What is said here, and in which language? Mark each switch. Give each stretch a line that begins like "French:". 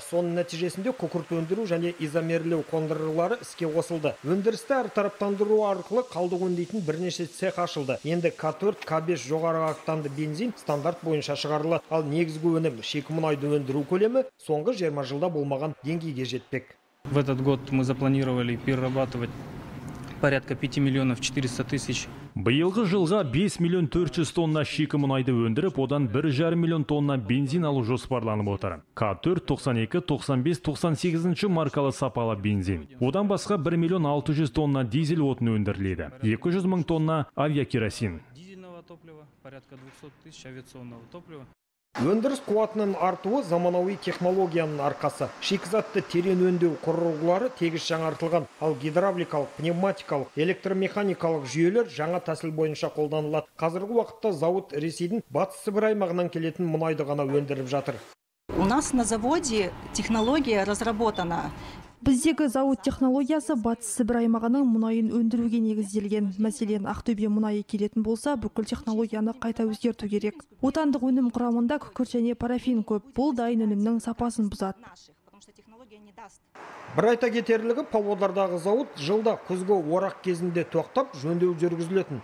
Kazakh: Соның нәтижесінде күкірт өндіру және изомерлеу қондырғылары іске қосылды. Өндірісті әртараптандыру арқылы қалдық өңдейтін бірнеше цех ашылды. Енді К4, К5 жоғары октанды бензин стандарт бойынша шығарылады. Ал негізгі өнім шикі мұнайды өндіру көлемі соңғы 20 жылда болмаған деңгейге жетпек.
Russian: В этот год мы запланировали перерабатывать порядка 5 400 000.
Kazakh: Биылғы жылға 5 400 000 тонна шикі мұнайды өндіріп, одан 1,5 миллион тонна бензин алу жоспарланып отыр. К4-92-95-98 маркалы сапалы бензин. Одан басқа 1 600 000 тонна дизель отын өндіріледі. 200 000 тонна авиакеросин.
Russian: Дизельного топлива порядка 200 000 авиационного топлива.
Kazakh: Өндіріс қуатының артуы заманауи технологияның арқасы. Шикізатты терен өндеу құрылғылары тегіс жаңартылған, ал гидравликалық, пневматикалық, электромеханикалық жүйелер жаңа тәсіл бойынша қолданылады. Қазіргі уақытта зауыт Ресейдің Батыс Сібір аймағынан келетін мұнайды ғана өндіріп жатыр.
Russian: У нас на заводе технология разработана.
Kazakh: Біздегі зауыт технологиясы Батыс Сібір аймағының мұнайын өндіруге негізделген. Мәселен, Ақтөбе мұнайы келетін болса, бүкіл технологияны қайта өзгерту керек. Отандық өнім құрамында күкірт және парафин көп. Бұл дайын өнімнің сапасын бұзады. Бір айта кетерлігі, Павлодардағы зауыт жылда күзгі орақ кезінде тоқтап, жөндеу жүргізілетін.